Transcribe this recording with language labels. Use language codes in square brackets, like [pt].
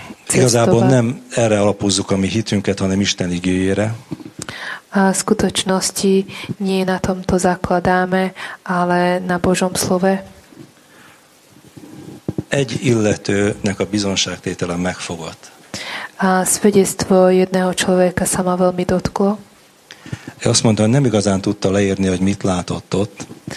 [hu] Igazából nem erre alapozzuk a mi hitünket, hanem Isten igéjére. [sk] A v skutočnosti nie na tomto zakladáme, ale na Božom slove. [hu] Egy illetőnek a bizonságtétele megfogott. [sk] A svedectvo jedného človeka sa ma veľmi dotklo. [hu] Ja azt mondta, hogy nem igazán tudta leírni, hogy mit látott ott.